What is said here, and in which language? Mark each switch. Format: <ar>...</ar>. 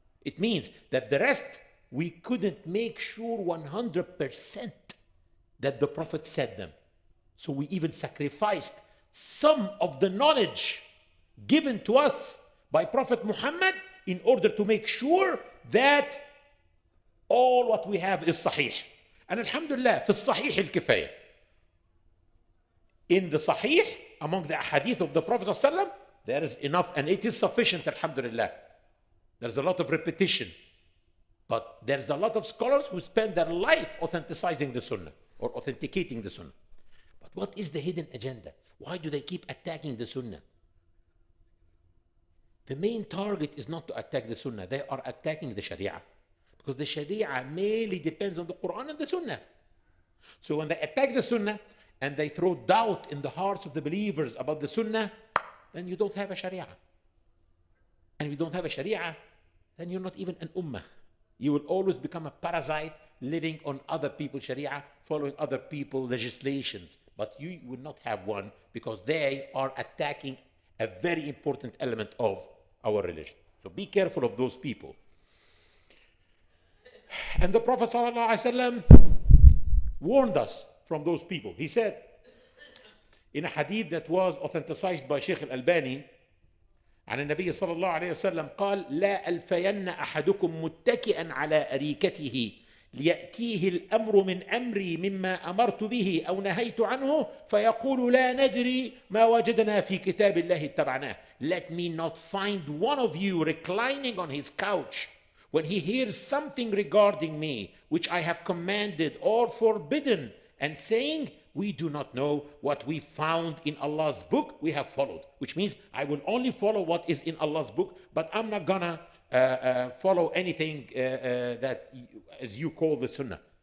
<en>It means that the rest, we couldn't make sure 100% that the Prophet said them. So we even sacrificed some of the knowledge given to us by Prophet Muhammad in order to make sure that all what we have is sahih. And</en> <ar>alhamdulillah, في الصحيح الكفاية.</ar> <en>In the sahih, among the ahadith of the Prophet ﷺ, there is enough, and it is sufficient, alhamdulillah. There's a lot of repetition. But there's a lot of scholars who spend their life authenticizing the Sunnah, or authenticating the Sunnah. But what is the hidden agenda? Why do they keep attacking the Sunnah? The main target is not to attack the Sunnah. They are attacking the Sharia. Because the Sharia mainly depends on the Quran and the Sunnah. So when they attack the Sunnah, and they throw doubt in the hearts of the believers about the Sunnah, then you don't have a Sharia. And if you don't have a Sharia, then you're not even an Ummah. You will always become a parasite living on other people's Sharia, following other people's legislations. But you will not have one because they are attacking a very important element of our religion. So be careful of those people. And the Prophet Sallallahu Alaihi Wasallam warned us from those people. He said, in a hadith that was authenticized by Sheikh Al-Albani,</en> <ar>عن النبي صلى الله عليه وسلم قال لا ألفين أحدكم متكئاً على أريكته ليأتيه الأمر من أمري مما أمرت به أو نهيت عنه فيقول لا ندري ما وجدنا في كتاب الله اتبعناه.</ar> <en>Let me not find one of you reclining on his couch when he hears something regarding me which I have commanded or forbidden and saying, we do not know what we found in Allah's book, we have followed. Which means, I will only follow what is in Allah's book, but I'm not gonna follow anything that, as you call the Sunnah.</en>